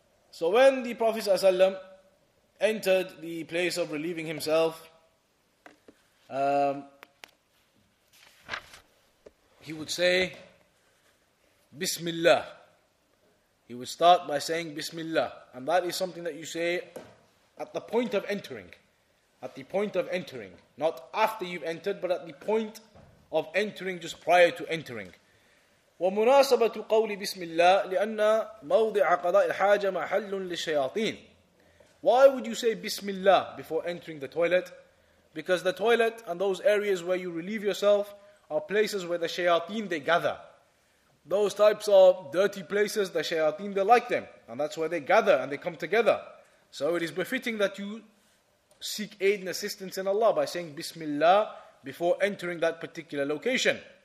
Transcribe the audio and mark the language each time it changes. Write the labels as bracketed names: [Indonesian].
[English] So when the Prophet ﷺ entered the place of relieving himself, he would say, Bismillah. He would start by saying Bismillah. And that is something that you say at the point of entering. At the point of entering. Not after you've entered, but at the point of entering, just prior to entering. [Arabic] ومناسبة قول بسم الله لأن موضع قضاء الحاجة محل للشياطين. [English] Why would you say Bismillah before entering the toilet? Because the toilet and those areas where you relieve yourself are places where the shayateen, they gather. Those types of dirty places, the shayateen, they like them. And that's where they gather and they come together. So it is befitting that you seek aid and assistance in Allah by saying Bismillah before entering that particular location.